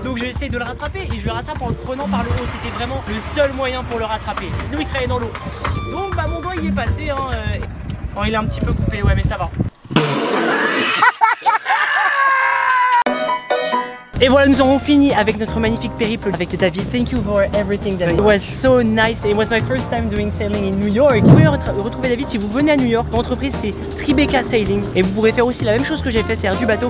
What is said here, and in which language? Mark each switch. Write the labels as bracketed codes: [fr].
[fr] Donc j'ai essayé de le rattraper et je le rattrape en le prenant par le haut. C'était vraiment le seul moyen pour le rattraper. Sinon il serait dans l'eau. Donc bah mon doigt il est passé hein. Oh il est un petit peu coupé, ouais mais ça va. Et voilà, nous aurons fini avec notre magnifique périple avec David. [en] Thank you for everything, David. It was so nice. It was my first time doing sailing in New York. [fr] Vous pouvez retrouver David si vous venez à New York. L'entreprise, c'est Tribeca Sailing. Et vous pourrez faire aussi la même chose que j'ai fait, c'est-à-dire du bateau.